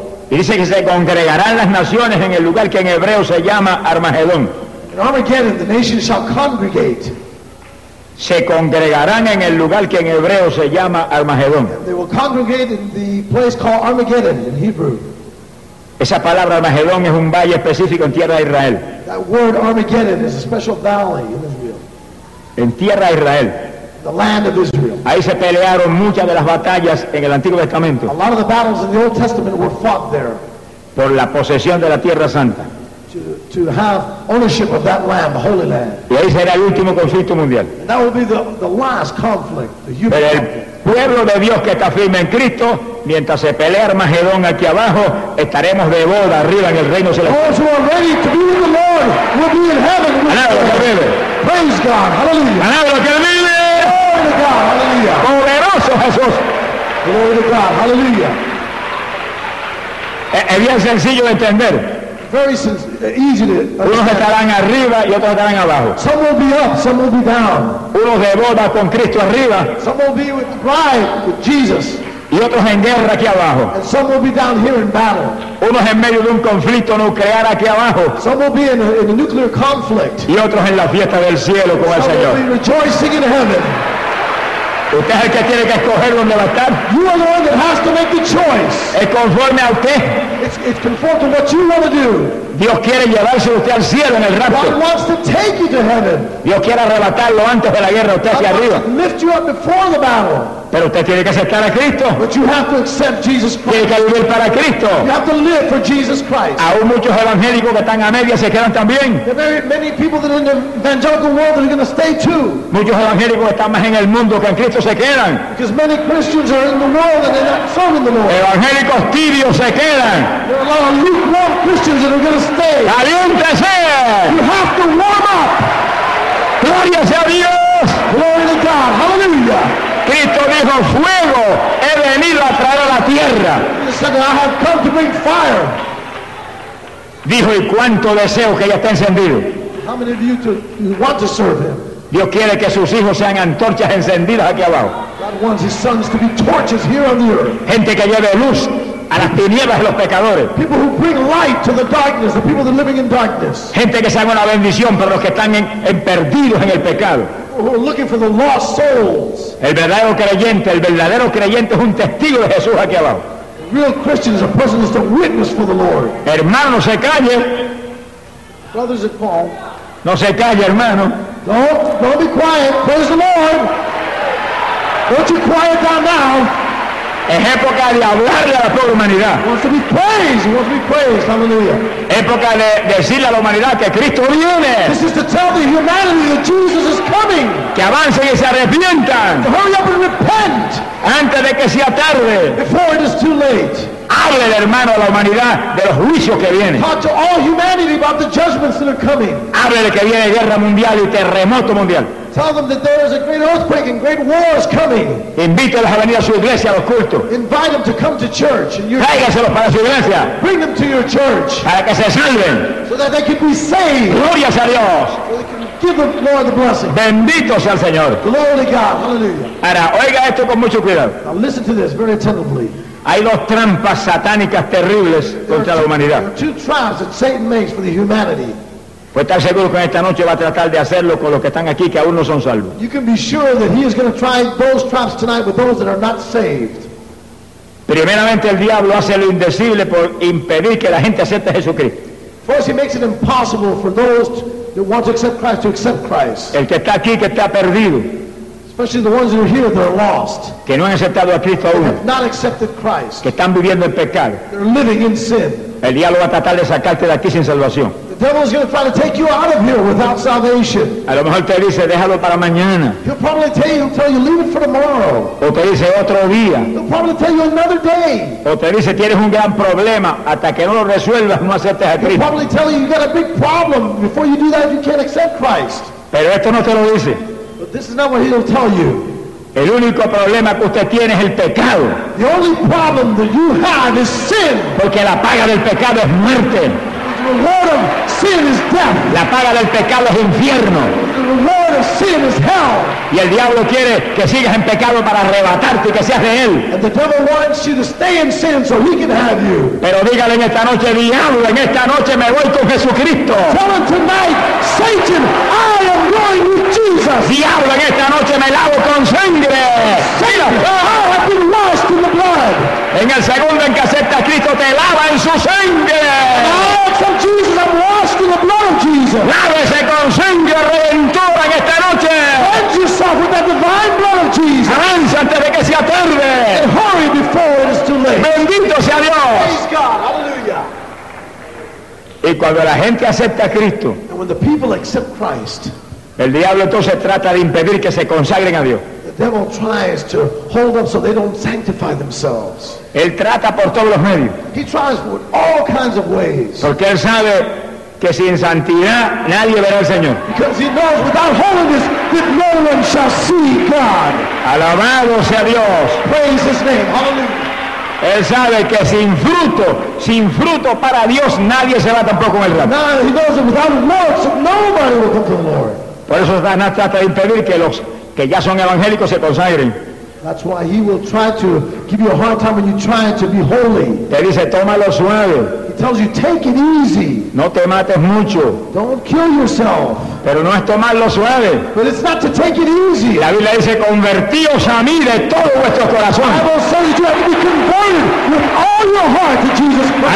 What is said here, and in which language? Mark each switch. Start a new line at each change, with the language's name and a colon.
Spanish: Y dice que se congregarán las naciones en el lugar que en hebreo se llama Armagedón.
English: In Armageddon, the nations shall congregate.
Spanish: Se congregarán en el lugar que en hebreo se llama Armagedón.
English: They will congregate in the place called Armageddon in Hebrew.
Spanish: Esa palabra Armagedón es un valle específico en tierra de Israel.
English: That word Armageddon is a special valley in Israel.
Spanish: En tierra de Israel.
English: The land of Israel.
Spanish: Ahí se pelearon muchas de las batallas en el Antiguo Testamento.
English: A lot of the battles in the Old Testament were fought there.
Spanish: Por la posesión de la Tierra Santa.
English: To have ownership of that land, the Holy Land.
Spanish: Y ahí será el último conflicto mundial.
English: And that will be the last conflict, the human
Spanish: Pero el pueblo de Dios que está firme en Cristo, mientras se pelea Armagedón aquí abajo, estaremos de boda arriba en el reino celestial.
English: Those who are ready to be with the Lord will be in heaven. Praise God. Hallelujah.
Spanish: Alabado que vive.
English: Glory to God. Hallelujah.
Spanish: Poderoso Jesús.
English: Glory to God. Hallelujah.
Spanish: Es bien sencillo de entender.
English: Very easy.
Spanish: Unos estarán arriba y otros estarán abajo.
English: Some will be up, some will be down.
Spanish: Unos de boda con Cristo arriba.
English: Some will be with the bride, with Jesus.
Spanish: Y otros en guerra aquí abajo.
English: And some will be down here in battle.
Spanish: Unos en medio de un conflicto nuclear aquí abajo.
English: Some will be in a nuclear conflict.
Spanish: Y otros en la fiesta del cielo con
English: some
Spanish: el Señor.
English: Will be rejoicing in heaven.
Spanish: Usted es el que tiene que escoger dónde va a estar.
English: You are the one that has to make the choice.
Spanish: Es conforme a usted.
English: It's conforme to what you want to do.
Spanish: Dios quiere llevarse usted al cielo en el rapto.
English: God wants to take you to heaven.
Spanish: Dios quiere arrebatarlo antes de la guerra usted hacia arriba.
English: God wants to lift you up before the battle.
Spanish: Pero usted tiene que aceptar a Cristo.
English: But you have to accept Jesus Christ.
Spanish: Tiene que vivir para Cristo.
English: You have to live for Jesus Christ.
Spanish: Aún muchos evangélicos que están a media se quedan también.
English: There are many people that are in the evangelical world that are going to stay too.
Spanish: Muchos evangélicos que están más en el mundo que en Cristo se quedan.
English: Because many Christians are in the world and they're not serving the Lord.
Spanish: Evangélicos tibios se quedan.
English: There are a lot of lukewarm Christians that are going to stay.
Spanish: ¡Caliéntese!
English: You have to warm up.
Spanish: Gloria sea a Dios.
English: Glory to God. Hallelujah.
Spanish: Cristo dijo fuego
English: said, I have come to bring fire.
Spanish: Dijo, ¿y cuánto deseo que ya está encendido?
English: How many of you want to serve him?
Spanish: Dios quiere que sus hijos sean antorchas encendidas aquí abajo.
English: God wants his sons to be torches here on the earth.
Spanish: Gente que lleve luz a las tinieblas de los pecadores.
English: People who bring light to the darkness, the people that are living in darkness.
Spanish: Gente que sea una bendición para los que están en perdidos en el pecado.
English: Who are looking for the lost souls.
Spanish: El verdadero creyente es un testigo de Jesús aquí abajo.
English: The real Christian is a person that's a witness for the Lord.
Spanish: Hermano, se calle.
English: Brothers at Paul.
Spanish: No se calle, hermano.
English: Don't be quiet. Praise the Lord. Don't you quiet down now.
Spanish: Es época de hablarle a la pobre humanidad.
English: He wants to be praised. He wants to be praised. Hallelujah.
Spanish: Época de decirle a la humanidad que Cristo viene.
English: This is to tell the humanity that Jesus is coming.
Spanish: Que avancen y se arrepientan.
English: To hurry up and repent.
Spanish: Antes de que sea tarde.
English: Before it is too late.
Spanish: Hable, hermano, a la humanidad de los juicios que vienen.
English: Talk to all humanity about the judgments that are coming.
Spanish: Hable de que viene guerra mundial y terremoto mundial.
English: Tell them that there is a great earthquake and great war is coming.
Spanish: Invítelos a venir a su iglesia, a los cultos.
English: Invite them to come to church.
Spanish: Tráigaselos para su iglesia.
English: Bring them to your church.
Spanish: Para que se salven.
English: So that they can be saved.
Spanish: Glorias a Dios.
English: So they can give the Lord the blessing.
Spanish: Bendito sea el Señor.
English: Glory to God. Hallelujah.
Spanish: Ahora, oiga esto con mucho cuidado.
English: Now listen to this very attentively.
Spanish: Hay dos trampas satánicas terribles contra la humanidad.
English: There are two traps that Satan makes for the humanity.
Spanish: Pues estar seguro que esta noche va a tratar de hacerlo con los que están aquí que aún no son salvos.
English: You can be sure that he is going to try those traps tonight with those that are not saved.
Spanish: Primeramente, el diablo hace lo indecible por impedir que la gente acepte a Jesucristo.
English: First, he makes it impossible for those that want to accept Christ to accept Christ.
Spanish: El que está aquí que está perdido.
English: Especially the ones that are here that are lost.
Spanish: Que no han aceptado a Cristo aún.
English: Have not accepted Christ.
Spanish: Que están viviendo en pecado.
English: They're living in sin.
Spanish: El diablo va a tratar de sacarte de aquí sin salvación.
English: The devil is going to try to take you out of here without salvation.
Spanish: A lo mejor te dice, déjalo para mañana.
English: He'll probably tell you, leave it for tomorrow.
Spanish: O te dice, otro día.
English: He'll probably tell you another day.
Spanish: O te dice, tienes un gran problema, hasta que no lo resuelvas, no aceptes a Cristo.
English: He'll probably tell you, you've got a big problem, before you do that, you can't accept Christ.
Spanish: Pero esto no te lo dice.
English: But this is not what he'll tell you.
Spanish: El único problema que usted tiene es el pecado.
English: The only problem that you have is sin.
Spanish: Porque la paga del pecado es muerte.
English: The reward of sin is death.
Spanish: La paga del pecado es infierno.
English: The reward of sin is hell.
Spanish: Y el diablo quiere que sigas en pecado para arrebatarte y que seas de él.
English: And the devil wants you to stay in sin so he can have you.
Spanish: Pero dígale en esta noche, diablo, en esta noche me voy con Jesucristo.
English: Tell him tonight, Satan, I am going with Jesus.
Spanish: Diablo, en esta noche me lavo con sangre.
English: Satan, I have been washed in the blood.
Spanish: En el segundo en que acepta a Cristo, te lava en su sangre.
English: Jesus, I'm washed in the blood of Jesus.
Spanish: Lávese con sangre redentora en esta noche.
English: Cleanse yourself with that divine blood of Jesus.
Spanish: Avance antes de que sea tarde.
English: And hurry before it is too late.
Spanish: Bendito sea Dios.
English: Praise God. Hallelujah.
Spanish: Y cuando la gente acepta a Cristo,
English: and when the people accept Christ,
Spanish: el diablo entonces trata de impedir que se consagren a Dios.
English: The devil tries to hold them so they don't sanctify themselves.
Spanish: Él trata por todos los medios.
English: He tries with all kinds of ways.
Spanish: Porque él sabe que sin santidad nadie verá al Señor.
English: Because he knows without holiness that no one shall see God.
Spanish: Alabado sea Dios.
English: Praise his name. Hallelujah.
Spanish: Él sabe que sin fruto para Dios nadie se va tampoco en el reino.
English: Now he knows that without works nobody will come to the Lord.
Spanish: Por eso Satanás trata de impedir que los que ya son evangélicos se consagren.
English: That's why he will try to give you a hard time when you try to be holy.
Spanish: Te dice, tómalo suave.
English: He tells you, take it easy.
Spanish: No te mates mucho.
English: Don't kill yourself.
Spanish: Pero no es tomarlo suave.
English: But it's not to take it easy.
Spanish: La Biblia dice, convertíos a mí de todo vuestro corazón.
English: The Bible says you have to be converted with all your heart to Jesus Christ.